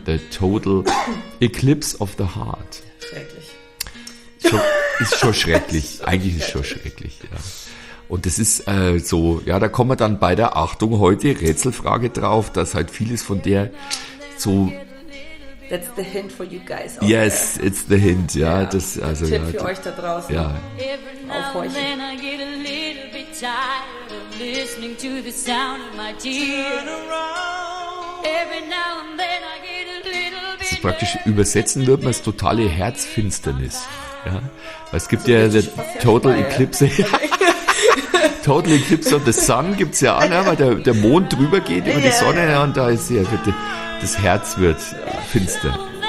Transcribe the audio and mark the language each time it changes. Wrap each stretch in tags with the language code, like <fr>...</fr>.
<en>The Total Eclipse of the Heart.</en> <de>Schrecklich. Ist schon schrecklich. Eigentlich ist es schon schrecklich, ja. Und das ist so, ja, da kommen wir dann bei der Achtung heute Rätselfrage drauf, dass halt vieles von der so...</de> <en>That's the hint for you guys. Yes, there. It's the hint, ja. Yeah.</en> <de>Das, also, Tipp ja, für euch da draußen. Ja.</de> <en>Every now and then I get a little bit tired of listening to the sound of my tears. Turn around. Every now and then I get a little bit tired.</en> <de>Praktisch übersetzen würde man es totale Herzfinsternis. Ja. Es gibt also, ja the total eclipse. Total Eclipse of the Sun gibt es ja auch, ne, weil der Mond drüber geht über die Sonne her und da ist ja bitte... Das Herz wird finster.</de>